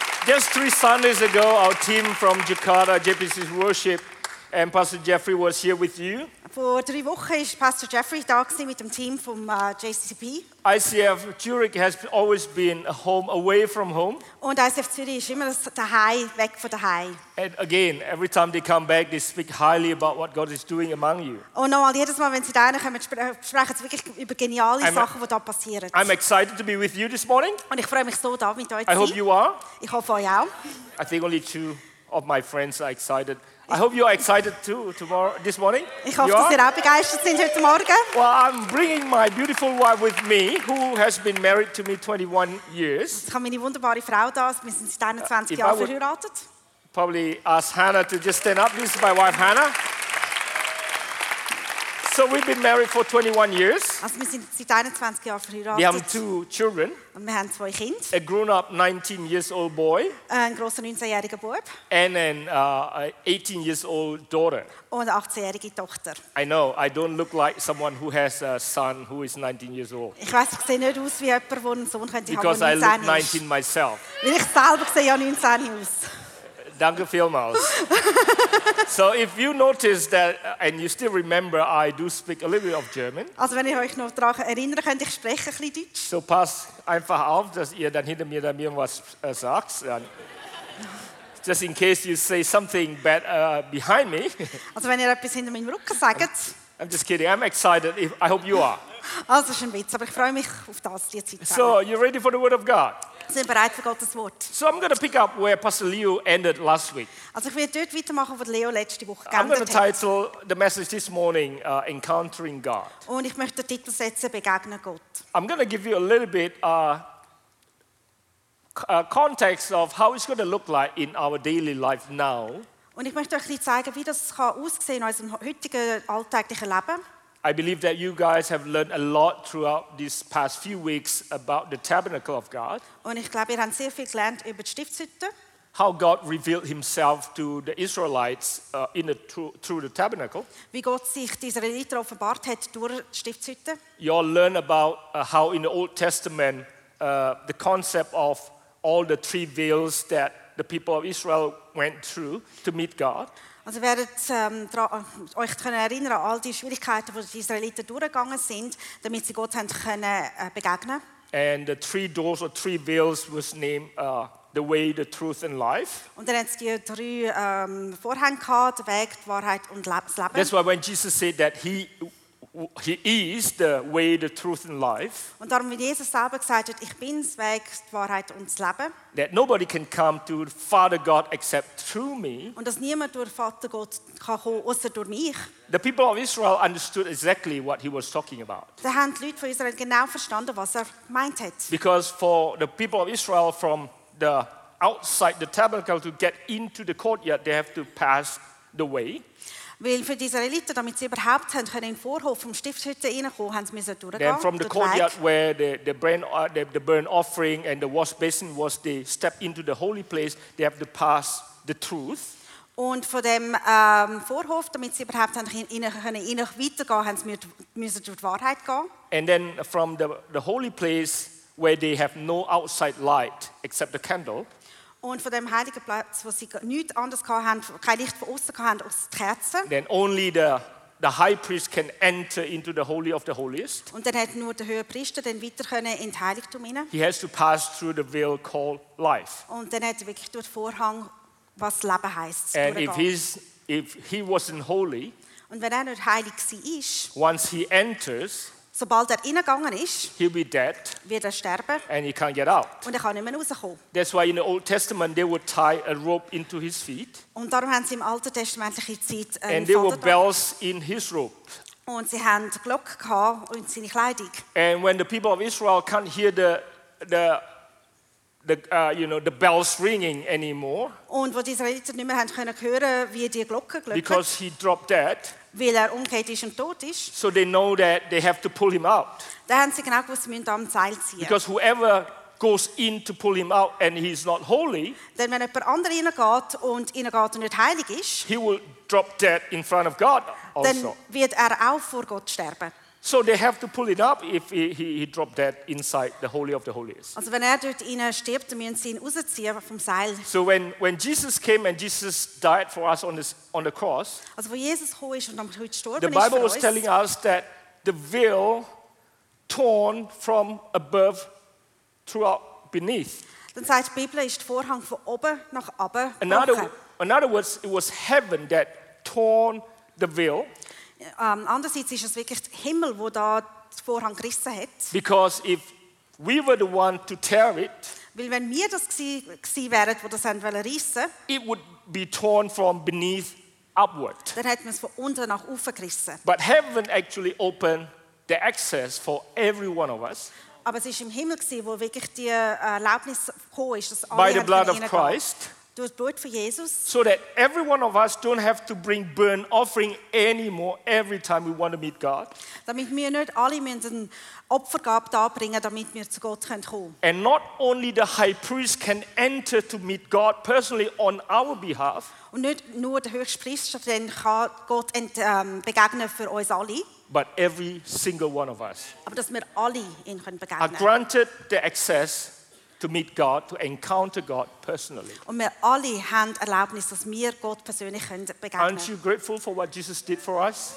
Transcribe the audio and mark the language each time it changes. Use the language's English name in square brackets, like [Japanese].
[English] Just 3 Sundays ago, our team from Jakarta, JPC Worship, and Pastor Jeffrey was here with you. [German] Vor 3 Wochen ist Pastor Jeffrey da gewesen mit dem Team vom JCCP. [English] ICF Zurich has always been a home away from home. [German] Und ICF Zürich ist immer daheim, weg von daheim. [English] And again, every time they come back, they speak highly about what God is doing among you. [German] Und nochmal, jedes Mal, wenn sie daheim kommen, sprechen sie wirklich über geniale Sachen, die da passieren. [English] I'm excited to be with you this morning. [German] Und ich freue mich so, da mit euch zu [English] sein. I hope you are. [German] Ich hoffe euch auch. [English] I think only 2 of my friends are excited. I hope you are excited too tomorrow, this morning. [German] Ich hoffe, dass ihr auch begeistert sind heute Morgen. [English] Well, I'm bringing my beautiful wife with me, who has been married to me 21 years. [German] Ich habe meine wunderbare Frau da. Wir sind seit 21 Jahren verheiratet. [English] Probably ask Hannah to just stand up. This is my wife, Hannah. So we've been married for 21 years. [German] Also, wir sind seit 21 Jahren verheiratet. [English] We have 2 children. [German] Und wir haben 2 Kinder. [English] A grown-up 19-year-old boy. [German] Ein grosser 19-jähriger Bub. [English] And an 18-year-old daughter. [German] Und eine 18-jährige Tochter. [English] I know, I don't look like someone who has a son who is 19 years old. [German] Ich weiß, ich sehe nicht aus wie jemand, der einen Sohn könnte haben, der 19 ist. [English] Because I look 19 myself. [German] Weil ich selber sehe ja 19 aus. Danke vielmals. [English] So if you notice that and you still remember, I do speak a little bit of German. [German] Also wenn ihr euch noch daran erinnern könnt, ich spreche ein bisschen Deutsch. So pass einfach auf, dass ihr dann hinter mir dann irgendwas sagt. [English] Dann, just in case you say something bad behind me. [German] Also wenn ihr etwas hinter meinem Rücken sagt. [English] I'm just kidding, I'm excited. I hope you are. [German] Also ist ein Witz, aber ich freue mich auf das, die Zeit. [English] So you ready for the word of God? [German] Sind bereit für Gottes Wort. [English] So I'm going to pick up where Pastor Leo ended last week. [German] Also ich werde dort weitermachen, wo Leo letzte Woche geendet hat. [English] I'm going to title the message this morning, Encountering God. [German] Und ich möchte den Titel setzen, Begegnen Gott. [English] I'm going to give you a little bit context of how it's going to look like in our daily life now. [German] Und ich möchte euch ein bisschen zeigen, wie das kann aussehen in unserem heutigen alltäglichen Leben. [English] I believe that you guys have learned a lot throughout these past few weeks about the tabernacle of God. [German] Und ich glaube, ihr habt sehr viel gelernt über die Stiftshütte. [English] How God revealed himself to the Israelites through the tabernacle. [German] Wie Gott sich die Israeliten offenbart hat durch die Stiftshütte. [English] You all learn about how in the Old Testament the concept of all the 3 veils that the people of Israel went through to meet God. [German] Also werdet euch können erinnern an all die Schwierigkeiten, wo die Israeliten durchgegangen sind, damit sie Gott haben können begegnen. [English] And the 3 doors or 3 veils was named the way, the truth, and life. [German] Und dann hat's die 3 Vorhänge gehabt, der Weg, die Wahrheit und das Leben. [English] That's why when Jesus said that he is the way, the truth, and life. [German] Und darum, wie Jesus selber gesagt hat, ich bin's Weg, die Wahrheit und das Leben. [English] That nobody can come to Father God except through me. [German] Und dass niemand durch Vater Gott kann kommen, außer durch mich. [English] The people of Israel understood exactly what he was talking about. [German] Da haben die Leute von Israel genau verstanden, was gemeint hat. [English] Because for the people of Israel from the outside the tabernacle to get into the courtyard, they have to pass the way. [German] Weil für die Israeliten, damit sie überhaupt haben, können in den Vorhof vom Stiftshütte reinkommen, haben sie müssen durchgehen. [English] Then from the courtyard where the burnt offering and the wash basin was, they step into the holy place, they have to pass the truth. [German] Und von dem Vorhof, damit sie überhaupt können weitergehen, haben sie müssen durch die Wahrheit gehen. [English] And then from the holy place where they have no outside light except the candle. [German] Und von dem heiligen Platz, wo sie nichts anderes hatten, kein Licht von außen hatten, als die Kerzen. [English] Then only the high priest can enter into the holy of the holiest. [German] Und dann hätte nur der hohe Priester dann weiter können in das Heiligtum hinein. [English] He has to pass through the veil called life. [German] Und dann hätte wirklich durch den Vorhang, was Leben heisst, [English] durchgehen. And if he wasn't holy, [German] und wenn er nicht heilig gewesen ist, [English] once he enters, [German] sobald er reingegangen ist, [English] he'll be dead, [German] wird er sterben, [English] and he can't get out. [German] Und er kann nicht mehr rauskommen. [English] That's why in the Old Testament they would tie a rope into his feet. [German] Und darum haben sie im Alten Testamentliche Zeit [English] and there were bells in his robe. [German] Und sie haben Glocke gehabt und seine Kleidung. [English] And when the people of Israel can't hear the bells ringing anymore, [German] und wo die Israeliten nicht mehr haben können hören, wie die Glocke glöckert, [English] because he dropped dead. [German] Weil er umgekehrt ist und tot ist. [English] So they know that they have to pull him out. [German] Dann haben sie genau gewusst, sie müssen am Seil ziehen. [English] Because whoever goes in to pull him out and he's not holy, [German] then wenn jemand andere reingeht und reingeht und nicht heilig ist, [English] he will drop dead in front of God also. [German] Dann wird auch vor Gott sterben. [English] So they have to pull it up if he dropped dead inside the Holy of the Holies. [German] Also wenn dort rein stirbt, dann müssen sie ihn rausziehen vom Seil. [English] So when Jesus came and Jesus died for us on the cross, [German] also wo Jesus hoch ist und am Kreuz gestorben, [English] the Bible was [German] uns [English] telling us that the veil torn from above throughout beneath. [German] Dann sagt die Bibel, ist der Vorhang von oben nach unten. [English] In other words, it was heaven that torn the veil. [German] Andererseits ist es wirklich der Himmel, wo da den Vorhang gerissen hat. [English] Because if we were the one to tear it, [German] weil wenn wir das gsi wären, wo das händ wollen rissen, [English] it would be torn from beneath upward. [German] Dann hätten wir es von unten nach oben gerissen. [English] But heaven actually opened the access for every one of us. [German] Aber es ist im Himmel gsi, wo wirklich die Erlaubnis gekommen ist, dass alle [English] by the blood of Christ. [German] Jesus. [English] So that every one of us don't have to bring burnt offering anymore every time we want to meet God. [German] Damit wir nicht alle müssen Opfergabe da bringen, damit wir zu Gott können kommen. [English] And not only the high priest can enter to meet God personally on our behalf. [German] Und nicht nur der Höchstpriester, denn kann Gott begegnen für uns alle. [English] But every single one of us. [German] Aber dass wir alle ihn können begegnen. [English] Are granted the access to meet God, to encounter God personally. [German] Und wir alle haben Erlaubnis, dass wir Gott persönlich können begegnen. [English] Aren't you grateful for what Jesus did for us?